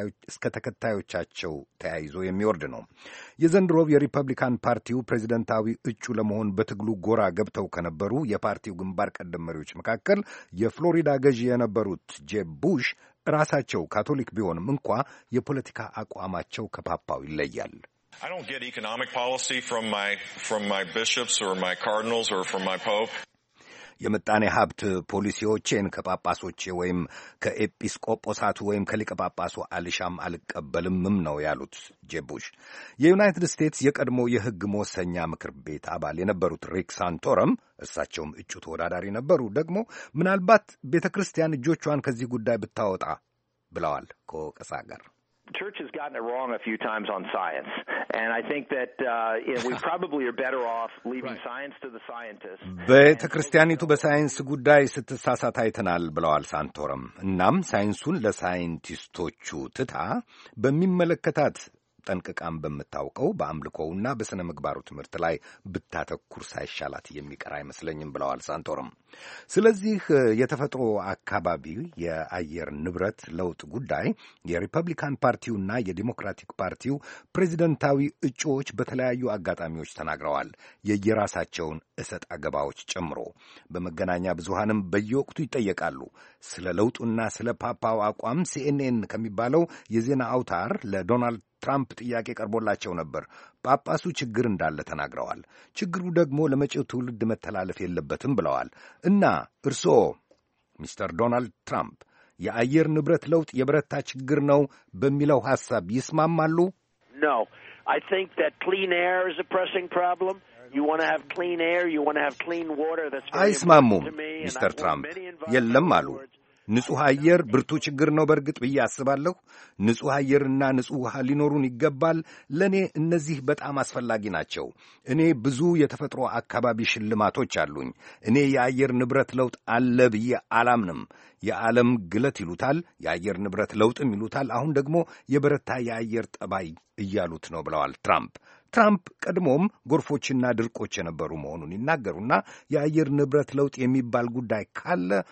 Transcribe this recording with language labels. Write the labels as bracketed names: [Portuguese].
[Amharic] እስከ ተከታዮቻቸው ተያይዞ የሚወርድ ነው። የዘንድሮው የሪፐብሊካን ፓርቲው ፕሬዚደንታዊ እጩ ለመሆን በትግሉ ጎራ ገብተው ከነበሩ የፓርቲው ግንባር ቀደም መሪዎች መካከል የፍሎሪዳ ገዢ የነበሩት ጄብ ቡሽ ራሳቸው ካቶሊክ ቢሆንም እንኳ የፖለቲካ አቋማቸው ከፓፓው ይለያል። [English] I don't get economic policy from my bishops or my cardinals or from my pope. [Amharic] የመጣኔ ሀብት ፖሊሲዎችን ከጳጳሶች ወይም ከኤጲስቆጶሳቱ ወይም ከሊቀ ጳጳሱ አልሻም አልቀበልምም ነው ያሉት ጄቡሽ። የዩናይትድ ስቴትስ የቀድሞ የሕግ መወሰኛ ምክር ቤት አባል የነበሩት ሪክ ሳንቶረም፣ እሳቸውም እጩ ተወዳዳሪ ነበሩ፣ ደግሞ ምናልባት ቤተ ክርስቲያን እጆቿን ከዚህ ጉዳይ ብታወጣ ብለዋል ከወቀሳ ጋር። [English] Church has gotten it wrong a few times on science, and I think that we probably are better off leaving science to the scientists. [Amharic] በተ ክርስቲያኒቱ በሳይንስ ጉዳይ ስትሳሳት አይተናል ብለዋል ሳንቶረም። እናም ሳይንሱን ለሳይንቲስቶቹ ትታ በሚመለከታት ጠንቅቃም በመታወቀው በአምልኮውና በስነ ምግባሩ ትምህርት ላይ ብታተኩር ሳይሻላት የሚቀር አይመስለኝም ብለዋል ሳንቶረም። ስለዚህ የተፈጥሮ አካባቢ የአየር ንብረት ለውጥ ጉዳይ የሪፐብሊካን ፓርቲውና የዲሞክራቲክ ፓርቲው ፕሬዚደንታዊ እጩዎች በተለያዩ አጋጣሚዎች ተናግረዋል፣ የየራሳቸውን እሰጥ አገባዎች ጨምሮ። በመገናኛ ብዙሃንም በየወቅቱ ይጠየቃሉ። ስለ ለውጡና ስለ ፓፓው አቋም ሲኤንኤን ከሚባለው የዜና አውታር ለዶናልድ ትራምፕ ጥያቄ ቀርቦላቸው ነበር። ጳጳሱ ችግር እንዳለ ተናግረዋል። ችግሩ ደግሞ ለመጪው ትውልድ መተላለፍ የለበትም ብለዋል። እና እርሶ ሚስተር ዶናልድ ትራምፕ የአየር ንብረት ለውጥ የበረታ ችግር ነው በሚለው ሐሳብ ይስማማሉ? [English] No, I think that clean air is a pressing problem. You want to have clean air, you want to have clean water. [Amharic] አይስማሙም ሚስተር ትራምፕ? የለም አሉ። ንጹህ አየር ብርቱ ችግር ነው በርግጥ ብዬ አስባለሁ። ንጹህ አየርና ንጹህ ውሃ ሊኖሩን ይገባል። ለኔ እነዚህ በጣም አስፈላጊ ናቸው። እኔ ብዙ የተፈጥሮ አካባቢ ሽልማቶች አሉኝ። እኔ የአየር ንብረት ለውጥ አለ ብዬ አላምንም። የዓለም ግለት ይሉታል፣ የአየር ንብረት ለውጥም ይሉታል፣ አሁን ደግሞ የበረታ የአየር ጠባይ እያሉት ነው ብለዋል ትራምፕ። ትራምፕ ቀድሞም ጎርፎችና ድርቆች የነበሩ መሆኑን ይናገሩና የአየር ንብረት ለውጥ የሚባል ጉዳይ ካለ